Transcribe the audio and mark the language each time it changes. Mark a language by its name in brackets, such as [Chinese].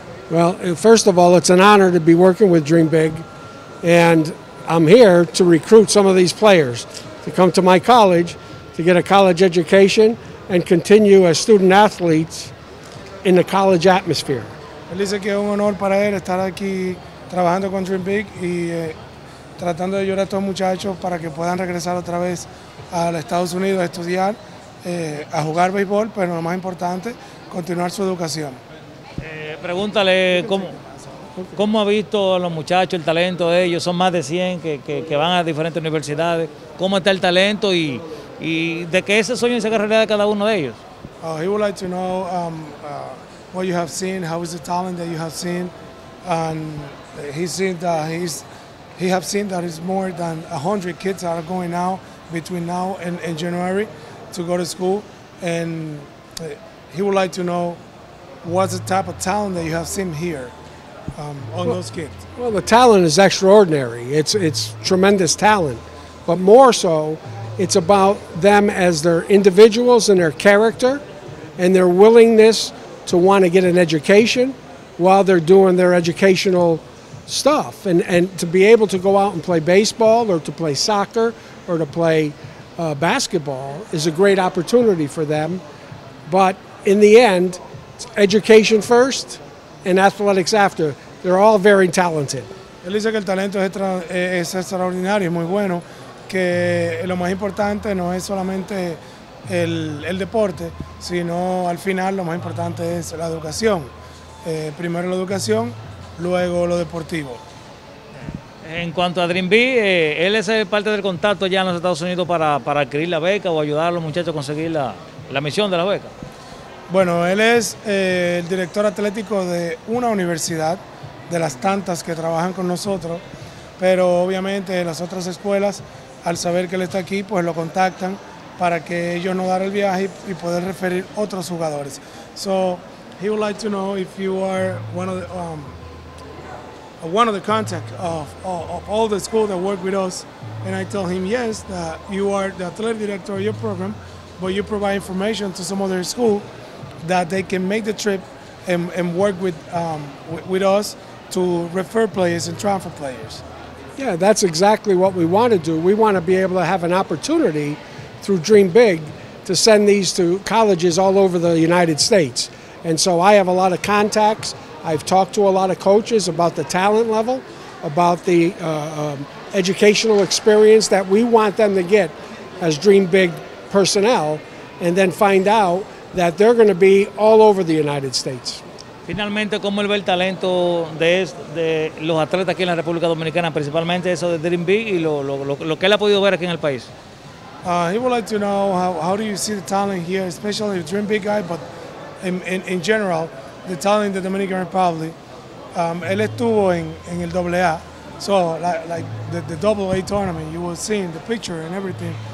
[English] Well, first of all, it's an honor to be working with Dream Big, and I'm here to recruit some of these players to come to my college to get a college education and continue as student athletes in the college atmosphere. [Spanish] Él dice que es un honor para él estar aquí trabajando con Dream Big y tratando de ayudar a estos muchachos para que puedan regresar otra vez a los Estados Unidos a estudiar, a jugar béisbol, pero lo más importante, continuar su educación. Pregúntale cómo ha visto a los muchachos, el talento de ellos, son más de 100 que van a diferentes universidades. ¿Cómo está el talento y de qué ese sueño y se haga realidad de cada uno de ellos? [English] He would like to know what you have seen, how is the talent that you have seen, and he has seen that it's more than 100 kids that are going now between now and January to go to school, and he would like to know what's the type of talent that you have seen here those kids. Well, the talent is extraordinary. It's tremendous talent, but more so, it's about them as their individuals and their character and their willingness to want to get an education while they're doing their educational stuff, and to be able to go out and play baseball or to play soccer or to play basketball is a great opportunity for them. But in the end, it's education first and athletics after. They're all very talented. [Spanish] Él dice que el talento es extraordinario, muy bueno, que lo más importante no es solamente el deporte, sino al final lo más importante es la educación. Primero la educación, luego lo deportivo. En cuanto a Dream B, él es parte del contacto ya en los Estados Unidos para adquirir la beca o ayudar a los muchachos a conseguir la misión de la beca. Bueno, él es el director atlético de una universidad, de las tantas que trabajan con nosotros, pero obviamente las otras escuelas, al saber que él está aquí, pues lo contactan para que ellos no dar el viaje y poder referir otros jugadores. [English] So, he would like to know if you are one of the contact of all the schools that work with us. And I tell him, yes, that you are the athletic director of your program, but you provide information to some other school that they can make the trip and work with us to refer players and transfer players. Yeah, that's exactly what we want to do. We want to be able to have an opportunity through Dream Big to send these to colleges all over the United States. And so I have a lot of contacts. I've talked to a lot of coaches about the talent level, about the educational experience that we want them to get as Dream Big personnel, and then find out that they're going to be all over the United States. [Spanish] Finalmente, ¿cómo él ve el talento de los atletas aquí en la República Dominicana, principalmente eso de Dream Big y lo que él ha podido ver aquí en el país? [English] He would like to know how do you see the talent here, especially the Dream Big guy, but in general, the talent in the Dominican Republic. [Spanish] Él estuvo en el AA, [English] so like the AA tournament, you were seeing the picture and everything.